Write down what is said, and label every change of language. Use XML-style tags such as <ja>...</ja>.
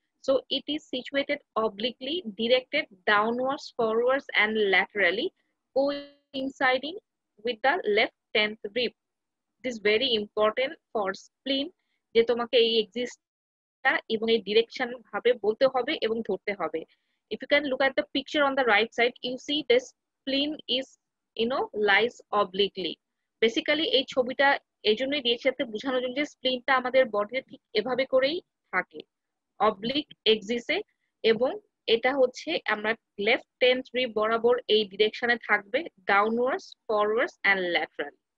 <en>So it is situated obliquely directed downwards forwards and laterally coinciding with the left tenth rib. This very important for spleen,</en> <bn>যে তোমাকে এই এক্সিসটা এবং এই direction ভাবে বলতে হবে এবং ধরতে হবে।</bn> <en>If you can look at the picture on the right side, you see this spleen is, you know, lies obliquely.</en> <bn>Basically, এই ছবিটা এই জন্য দিয়েছে যাতে বোঝানোর জন্য যে স্প্লিনটা আমাদের বডিতে ঠিক এভাবে করেই থাকে, অবলিক এক্সিসে, এবং এটা হচ্ছে আমরা লেফট টেন্থ রিব বরাবর এই ডিরেকশনে থাকবে,</bn> <en>Downwards forwards and lateral.</en>